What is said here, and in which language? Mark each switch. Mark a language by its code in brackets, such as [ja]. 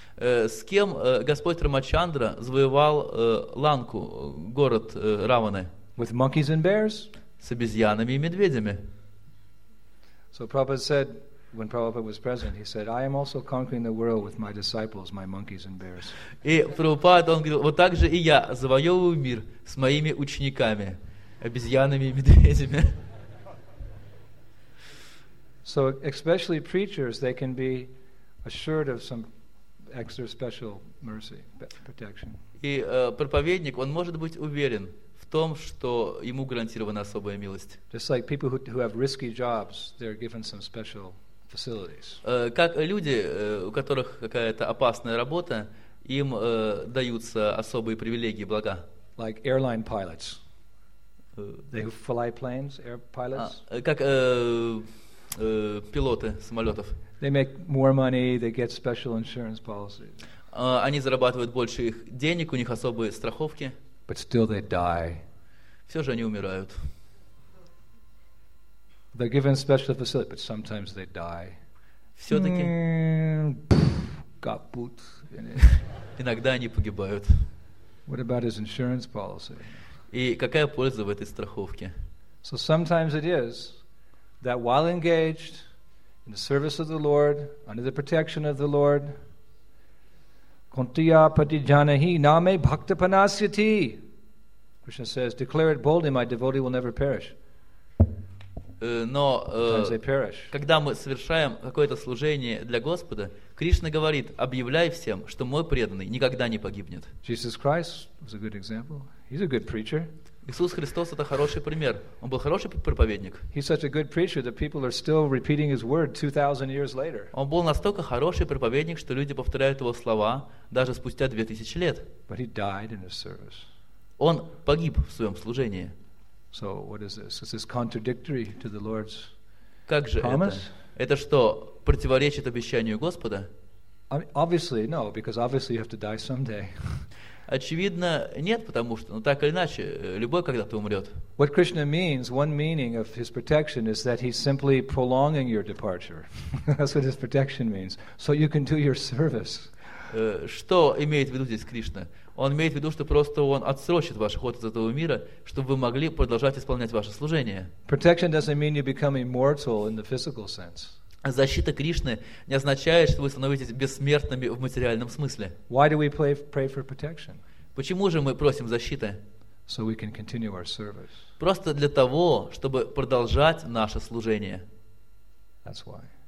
[ru] С кем Господь Рамачандра завоевал Ланку, город Раваны? [en] With monkeys and bears? [ru] С обезьянами и медведями. [en] So Prabhupada said, when Prabhupada was present, he said, I am also conquering the world with my disciples, my monkeys and bears. [ru] И Прабхупада, он говорил, вот так же и я завоевываю мир с моими учениками, обезьянами и медведями. [en] So especially preachers, they can be assured of some extra special mercy, protection. [ru] И проповедник, он может быть уверен в том, что ему гарантирована особая милость. [en] Just like people who have risky jobs, they're given some special facilities. [ru] Как люди, у которых какая-то опасная работа, им даются особые привилегии, блага. [en] Like airline pilots. They fly planes, air pilots. [ru] Как пилоты самолетов. [en] They make more money, they get special insurance policies. [ru] Они зарабатывают больше их денег, у них особые страховки. [en] But still they die. [ru] Все же они умирают. [en] They're given special facility, but sometimes they die. [ru] Все-таки капут. Иногда они погибают. [en] What about his insurance policy? [ru] И какая польза в этой страховке? [en] So sometimes it is that while engaged in the service of the Lord, under the protection of the Lord, [sa] Kuntiya Patijanahi Name Bhaktapanasyati. [en] Krishna says, declare it boldly, my devotee will never perish. [ru] Но когда мы совершаем какое-то служение для Господа, Кришна говорит, объявляй всем, что мой преданный никогда не погибнет. [en] Jesus Christ was a good example. He's a good preacher. [ru] Иисус Христос — это хороший пример. Он был хороший проповедник. [en] He's such a good preacher that people are still repeating his word 2,000 years later. [ru] Он был настолько хороший проповедник, что люди повторяют его слова даже спустя 2000 лет. [en] But he died in his service. [ru] Он погиб в своем служении. [en] So what is this? Is this contradictory to the Lord's promise? [ru] Как же это? Это что, противоречит обещанию Господа? [en] Obviously, no, because obviously you have to die someday. [ru] Очевидно, нет, потому что, ну так или иначе, любой когда-то умрет. [en] What Krishna means, one meaning of his protection is that he's simply prolonging your departure. That's what his protection means. So you can do your service. [ru] Что имеет в виду здесь Кришна? Он имеет в виду, что просто он отсрочит ваш уход из этого мира, чтобы вы могли продолжать исполнять ваше служение. [en] Protection doesn't mean you become immortal in the physical sense. [ru] Защита Кришны не означает, что вы становитесь бессмертными в материальном смысле. [en] Why do we pray for protection? [ru] Почему же мы просим защиты? [en] So we can continue our service. [ru] Просто для того, чтобы продолжать наше служение. [en] That's why.